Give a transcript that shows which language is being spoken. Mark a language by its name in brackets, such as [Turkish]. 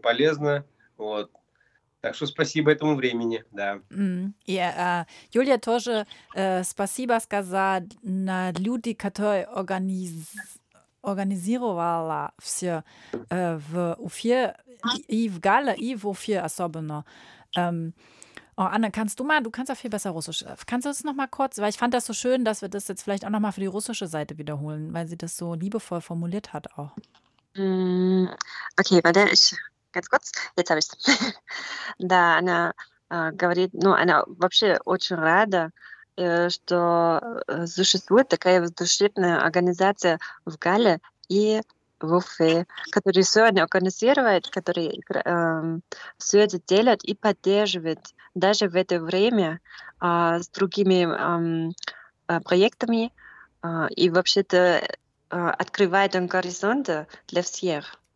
[Russian] полезно, вот. Так что спасибо этому времени, да. И Юлия тоже спасибо сказала на людей, которые организировала все в Уфе и в Галле, и в Уфе особенно. [German] Anna, kannst du mal, du kannst auch viel besser Russisch. Kannst du das nochmal kurz, weil ich fand das so schön, dass wir das jetzt vielleicht auch nochmal für die russische Seite wiederholen, weil sie das so liebevoll formuliert hat auch. Okay, warte, ich... Ganz kurz, jetzt habe ich es. [Russian] Да, она говорит, ну, она вообще очень рада, что существует такая воздушевная организация в Галле и в Уфе, которая все они организирует, которая все это делает и поддерживает даже в это время с другими проектами и вообще-то открывает горизонты для всех.